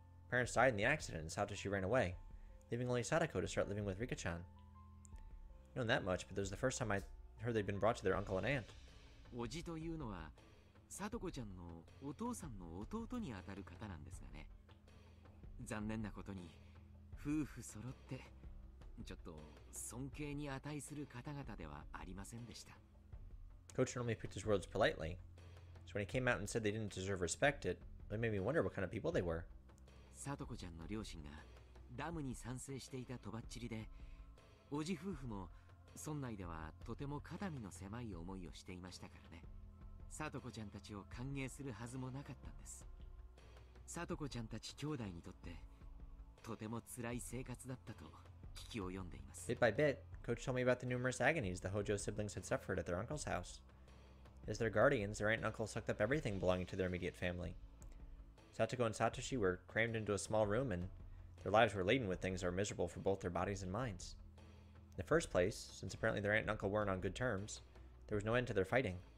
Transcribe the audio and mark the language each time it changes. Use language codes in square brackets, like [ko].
[en] Parents died in the accident, and Satoshi ran away, leaving only Satoko to start living with Rika-chan. Known that much, but this is the first time I heard they'd been brought to their uncle and aunt. [ja] Oji というのは、サトコちゃんのお父さんの弟にあたる方なんですがね。残念なことに、夫婦揃って、ちょっと尊敬に値する方々ではありませんでした。 [en] Coach normally picked his words politely, so when he came out and said they didn't deserve respect, it made me wonder what kind of people they were. [ja] サトコちゃんの両親がダムに賛成していたとばっちりで、おじ夫婦も村内ではとても肩身の狭い思いをしていましたからね。サトコちゃんたちを歓迎するはずもなかったんです。サトコちゃんたち兄弟にとってとても辛い生活だったと聞き及んでいます。 [en] Bit by bit, Coach told me about the numerous agonies the Hojo siblings had suffered at their uncle's house. As their guardians, their aunt and uncle sucked up everything belonging to their immediate family. Satoko and Satoshi were crammed into a small room, and their lives were laden with things that were miserable for both their bodies and minds. In the first place, since apparently their aunt and uncle weren't on good terms, there was no end to their fighting.